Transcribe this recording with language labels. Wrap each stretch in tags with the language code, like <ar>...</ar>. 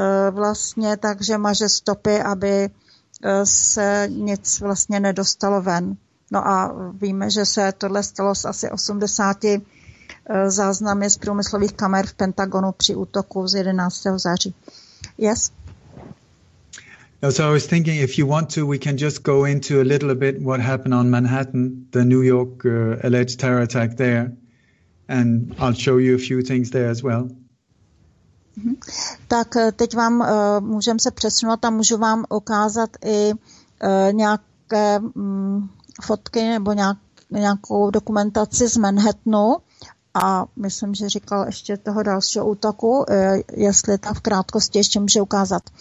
<cs>Vlastně takže maže stopy, aby se nic vlastně nedostalo ven. No a víme, že se tohle stalo s asi 80 záznamy z průmyslových kamer v Pentagonu při útoku z 11. září.</cs> <en>Yes? No, so I was thinking, if you want to, we can just go into a little bit what happened on Manhattan, the New York alleged terror attack there, and I'll show you a few things there as well.</en> <cs>Tak teď vám můžeme se přesunout a můžu vám ukázat i nějaké fotky nebo nějakou dokumentaci z Manhattanu a myslím, že říkal ještě toho dalšího útoku, jestli tam v krátkosti ještě může ukázat.</cs>